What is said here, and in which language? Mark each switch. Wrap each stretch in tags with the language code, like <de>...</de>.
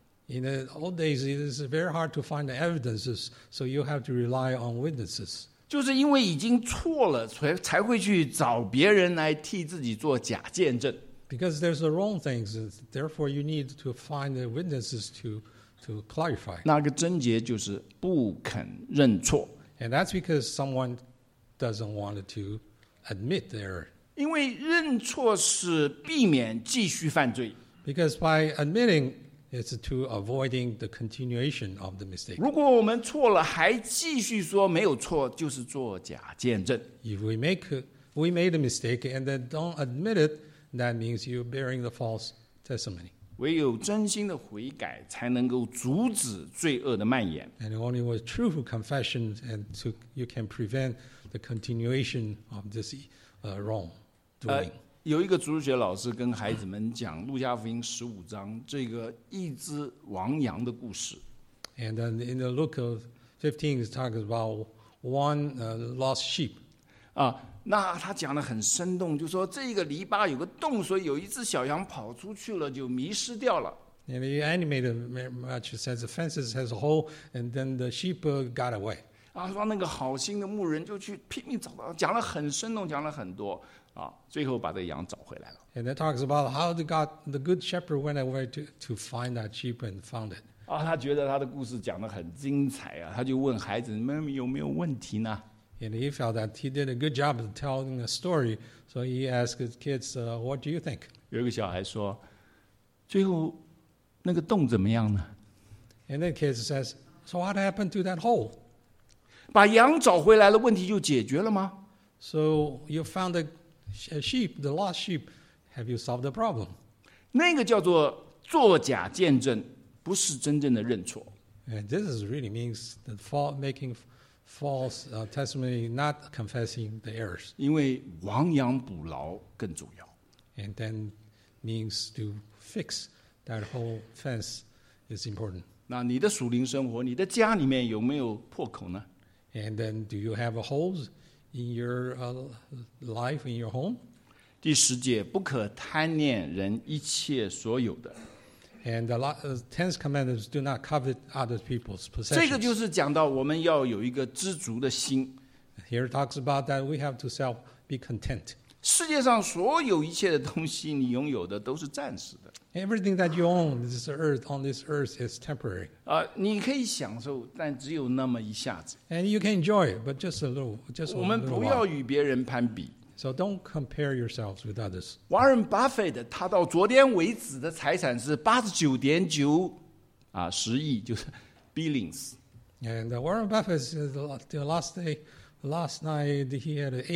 <en>In the old days, it is very hard to find the evidences, so you have to rely on witnesses.</en> <zh>就是因为已经错了，才会去找别人来替自己做假见证。</zh> <en>Because there's the wrong things, therefore you need to find the witnesses to clarify.</en> <zh>那个症结就是不肯认错。</zh> <en>And that's because someone doesn't want to admit their error.</en> <zh>因为认错是避免继续犯罪。</zh> <en>Because by admitting, it's to avoiding the continuation of the mistake.</en> <zh>如果我们错了还继续说没有错，就是做假见证。</zh> <en>If we made a mistake and then don't admit it, that means you're bearing the false testimony.</en> <zh>唯有真心的悔改才能够阻止罪恶的蔓延。</zh> <en>And only with true confession and you can prevent the continuation of this. Wrong doing.</en> <zh>有一个主日学老师跟孩子们讲路加福音十五章这个一只亡羊的故事。</zh> <en>And then in the Luke 15, it talks about one lost sheep.</en> <zh>那他讲得很生动，就说这个篱笆有个洞，所以有一只小羊跑出去了，就迷失掉了。</zh> <en>And he animated much, says the fences has a hole, and then the sheep got away.</en> <zh>啊，说那个好心的牧人就去拼命找到，讲了很生动，讲了很多，啊，最后把这羊找回来了。</zh> <en>And that talks about how the good shepherd went away to find that sheep and found it.</en> <zh>啊，他觉得他的故事讲得很精彩啊，他就问孩子们有没有问题呢</zh> <en>？And he felt that he did a good job of telling a story, so he asked his kids, "What do you think?"</en> <zh>有一个小孩说，最后那个洞怎么样呢</zh> <en>？And the kid says, "So what happened to that hole?"</en> <zh>把羊找回来了，问题就解决了吗</zh> <en>？So you found the sheep, the lost sheep. Have you solved the problem?</en> <zh>那个叫做作假见证，不是真正的认错。</zh> <en>And this is really means the making false testimony, not confessing the errors.</en> <zh>因为亡羊补牢更重要。</zh> <en>And then means to fix that whole fence is important.</en> <zh>那你的属灵生活，你的家里面有没有破口呢？</zh> <en>And then, do you have a holes in your life, in your home?</en> <zh>第十节，不可贪恋人一切所有的。</zh> <en>And a lot of tense commandments do not covet other people's possessions.</en> <zh>这个就是讲到我们要有一个知足的心。</zh> <en>Here it talks about that we have to self be content.</en> <zh>世界上所有一切的东西你拥有的都是暂时的。</zh> <en>Everything that you own this earth, on this earth is temporary.</en> <zh>你可以享受但只有那么一下子。</zh> <en>And you can enjoy it, but just a little, just a little while.</en> <zh>我们不要与别人攀比。</zh> <en>So don't compare yourselves with others.</en> <zh>Warren Buffett, 他到昨天为止的财产是 89.9 十亿，就是 billions.</zh> <en>And Warren Buffett, the last day, last night, he had</en>